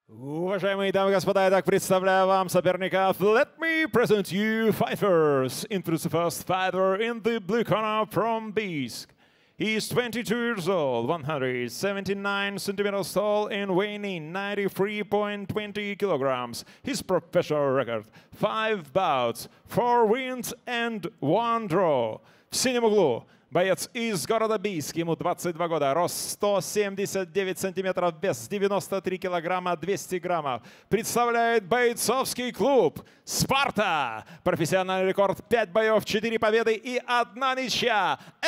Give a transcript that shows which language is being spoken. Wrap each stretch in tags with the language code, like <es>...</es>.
<ru>Уважаемые дамы и господа, я так представляю вам соперников.</ru> <en>Let me present you fighters. Introduce the first fighter in the blue corner from Бийск. He is 22 years old, 179 centimeters tall and weighing 93.20 kilograms. His professional record – 5 bouts, 4 wins and 1 draw.</en> <ru>В синем углу – боец из города Бийск, ему 22 года, рост 179 сантиметров, вес 93 килограмма, 200 граммов. Представляет бойцовский клуб «Спарта». Профессиональный рекорд – 5 боев, 4 победы и 1 ничья.</ru>